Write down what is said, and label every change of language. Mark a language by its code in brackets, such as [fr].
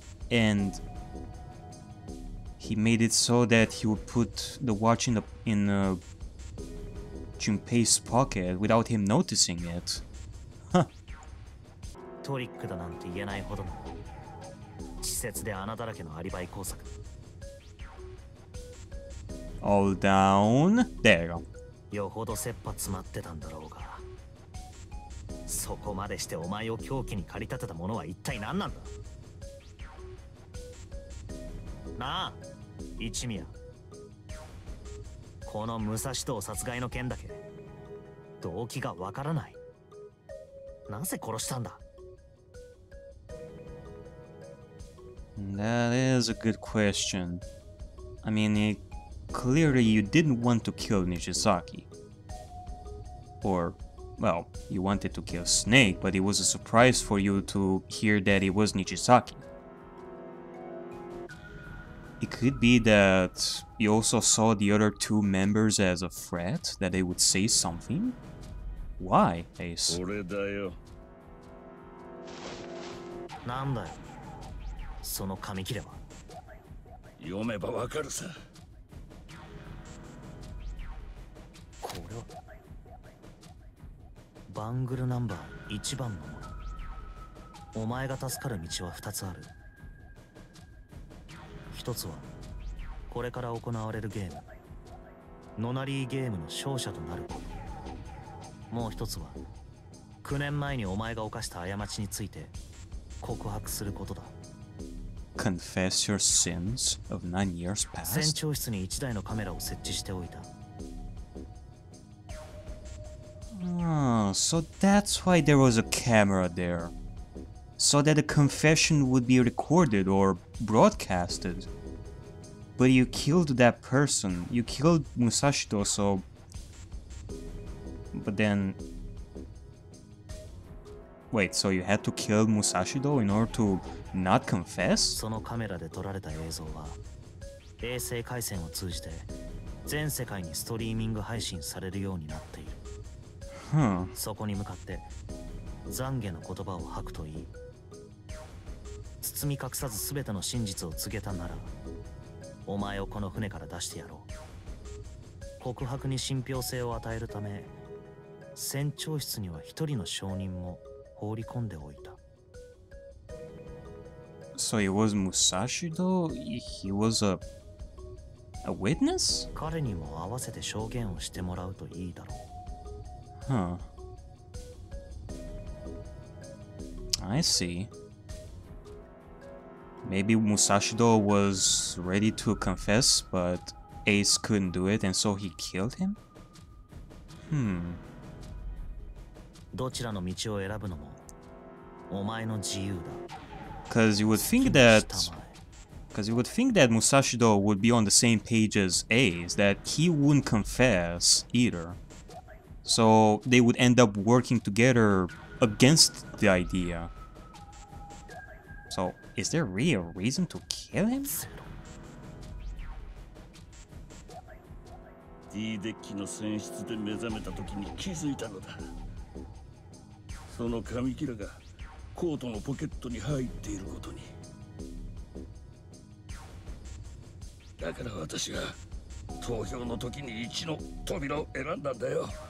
[en] And he made it so that he would put the watch in Junpei's pocket without him noticing it. Huh. [ja] トリックだなんて言えないほどの稚拙で穴だらけのアリバイ工作。 [en] All down. There you go. [ja] よほど切羽詰まってたんだろうが、そこまでしてお前を狂気に駆り立てたものは一体何なんだ。なあ一宮、この武蔵堂殺害の件だけ動機がわからない。なぜ殺したんだ。 [en] That is a good question. I mean, it clearly you didn't want to kill Nishizaki. Or, well, you wanted to kill Snake, but it was a surprise for you to hear that it was Nishizaki. It could be that you also saw the other two members as a threat, that they would say something? Why, Ace? [ja] これだよ。なんだよ、その紙切れは。読めばわかるさ。これは…バングルナンバー1番のもの。お前が助かる道は2つある。 1つはこれから行われるゲーム、ノナリーゲームの勝者となること。もう1つは9年前にお前が犯した過ちについて告白することだ。 [en] Confess your sins of 9 years past? [ja] 船長室に1台のカメラを設置しておいた。 [en] So that's why there was a camera there. So that the confession would be recorded or broadcasted. But you killed that person. You killed Musashito, so... But then... Wait, so you had to kill Musashito in order to not confess? [ja] その カメラで撮られた映像は、衛星回線を通じて全世界にストリーミング配信されるようになっている。ふん。そこに向かって懺悔の言葉を吐くといい。包み隠さず全ての真実を告げたなら、お前をこの船から出してやろう。告白に信憑性を与えるため、船長室には一人の証人も放り込んでおいた。 [en] So it was Musashi though? He was a witness? [ja] 彼にも合わせて証言をしてもらうといいだろう。 [en] I see. Maybe Musashi though was ready to confess, but Ace couldn't do it and so he killed him? [ja] どちらの道を選ぶのもお前の自由だ。 [en] Because you would think that, Musashido would be on the same page as Ace, that he wouldn't confess either. So they would end up working together against the idea. So is there really a reason to kill him? [ja] D デッキの船室で目覚めた時に気づいたのだ。その紙切れがコートのポケットに入っていることに。だから私が投票の時に一の扉を選んだんだよ。